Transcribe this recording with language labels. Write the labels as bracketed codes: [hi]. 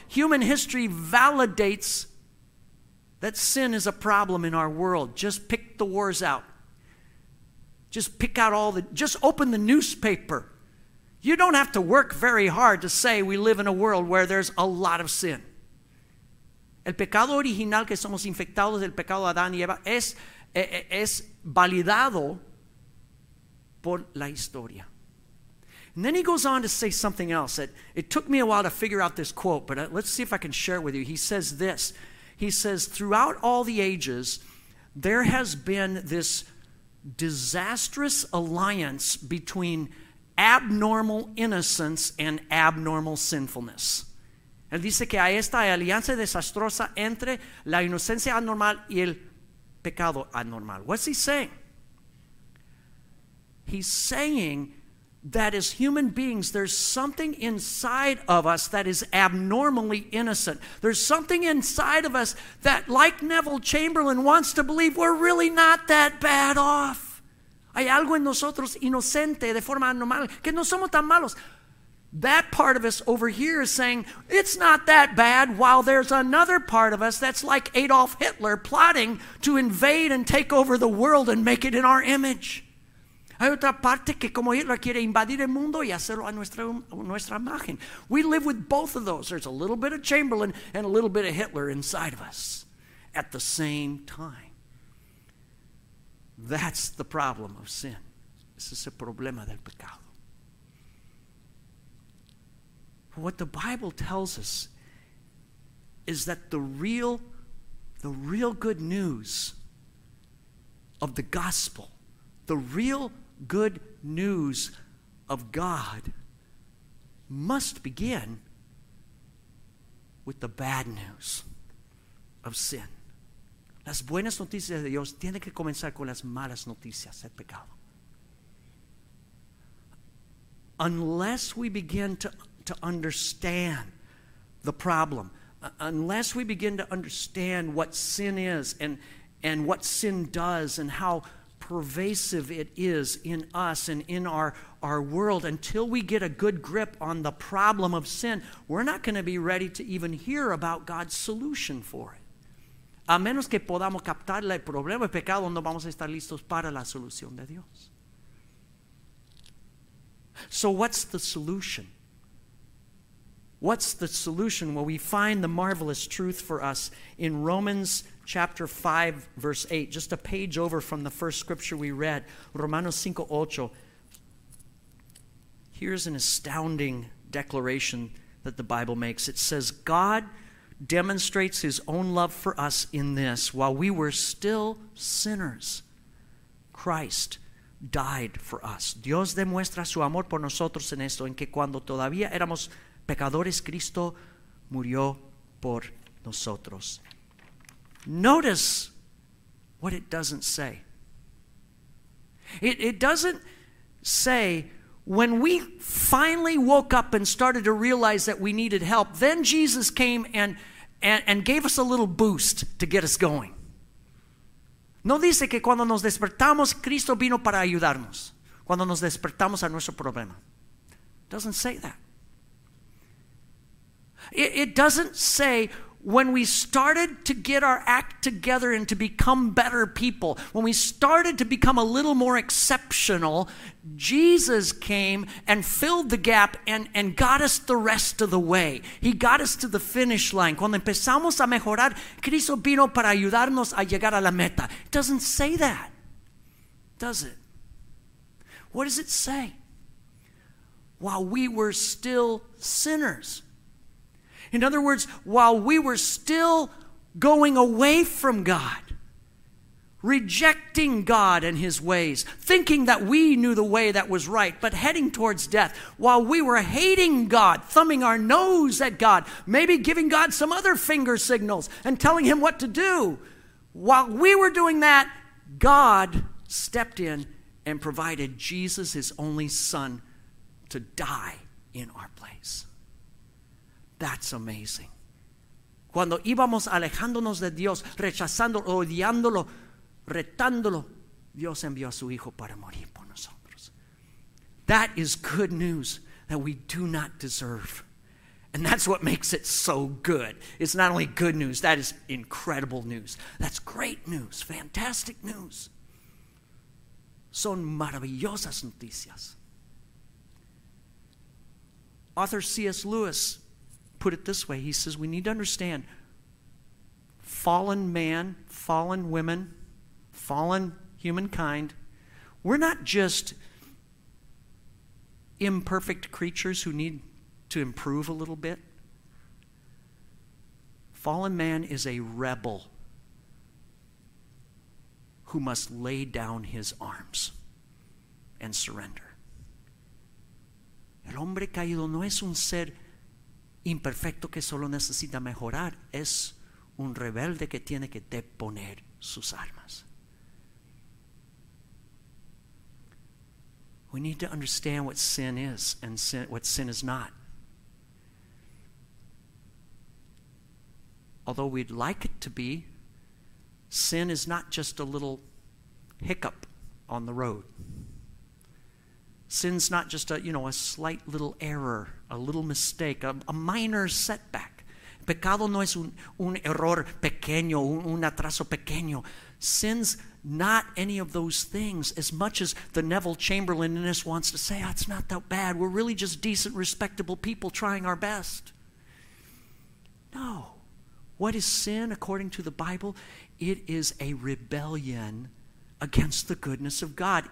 [en] Human history validates that sin is a problem in our world. Just pick the wars out. Just pick out all the, just open the newspaper. You don't have to work very hard to say we live in a world where there's a lot of sin. [es] El pecado original que somos infectados del pecado de Adán y Eva es validado por la historia. [en] And then he goes on to say something else. It took me a while to figure out this quote, but let's see if I can share it with you. He says this. He says, throughout all the ages, there has been this disastrous alliance between abnormal innocence and abnormal sinfulness. [es] Él dice que hay esta alianza desastrosa entre la inocencia anormal y el pecado anormal. [en] What's he saying? He's saying that as human beings, there's something inside of us that is abnormally innocent. There's something inside of us that, like Neville Chamberlain, wants to believe we're really not that bad off. [es] Hay algo en nosotros inocente, de forma anormal, que no somos tan malos. [en] That part of us over here is saying, it's not that bad, while there's another part of us that's like Adolf Hitler plotting to invade and take over the world and make it in our image. [es] Hay otra parte que como Hitler quiere invadir el mundo y hacerlo a nuestra imagen. [en] We live with both of those. There's a little bit of Chamberlain and a little bit of Hitler inside of us at the same time. That's the problem of sin. [es] Ese es el problema del pecado. [en] What the Bible tells us is that the real good news of the gospel, the real good news of God must begin with the bad news of sin. [es] Las buenas noticias de Dios tienen que comenzar con las malas noticias del pecado. [en] Unless we begin to understand the problem, unless we begin to understand what sin is and what sin does and how pervasive it is in us and in our world, until we get a good grip on the problem of sin, we're not going to be ready to even hear about God's solution for it. [es] A menos que podamos captar el problema del pecado, no vamos a estar listos para la solución de Dios. [en] So what's the solution? What's the solution? Well, we find the marvelous truth for us in Romans chapter 5, verse 8, just a page over from the first scripture we read, Romanos 5, 8. Here's an astounding declaration that the Bible makes. It says, God demonstrates his own love for us in this: while we were still sinners, Christ died for us. [es] Dios demuestra su amor por nosotros en esto, en que cuando todavía éramos pecadores, Cristo murió por nosotros. [en] Notice what it doesn't say. It doesn't say, when we finally woke up and started to realize that we needed help, then Jesus came and gave us a little boost to get us going. [es] No dice que cuando nos despertamos, Cristo vino para ayudarnos. Cuando nos despertamos a nuestro problema. [en] It doesn't say that. It doesn't say, when we started to get our act together and to become better people, when we started to become a little more exceptional, Jesus came and filled the gap and got us the rest of the way. He got us to the finish line. [es] Cuando empezamos a mejorar, Cristo vino para ayudarnos a llegar a la meta. [en] It doesn't say that, does it? What does it say? While we were still sinners. In other words, while we were still going away from God, rejecting God and his ways, thinking that we knew the way that was right, but heading towards death, while we were hating God, thumbing our nose at God, maybe giving God some other finger signals and telling him what to do, while we were doing that, God stepped in and provided Jesus, his only son, to die in our place. That's amazing. [es] cuando íbamos alejándonos de Dios, rechazándolo, odiándolo, retándolo, Dios envió a su Hijo para morir por nosotros. [en] That is good news that we do not deserve. And that's what makes it so good. It's not only good news, that is incredible news. That's great news, fantastic news. [es] Son maravillosas noticias. [en] Author C.S. Lewis put it this way. He says, we need to understand fallen man, fallen women, fallen humankind. We're not just imperfect creatures who need to improve a little bit. Fallen man is a rebel who must lay down his arms and surrender. [es] El hombre caído no es un ser imperfecto que solo necesita mejorar, es un rebelde que tiene que deponer sus armas. [en] We need to understand what sin is and sin, what sin is not. Although we'd like it to be, sin is not just a little hiccup on the road. Sin's not just a slight little error, a little mistake, a minor setback. [es] Pecado no es un error pequeño, un atraso pequeño. [en] Sin's not any of those things, as much as the Neville Chamberlain in us wants to say, it's not that bad. We're really just decent, respectable people trying our best. No. What is sin according to the Bible? It is a rebellion against the goodness of God.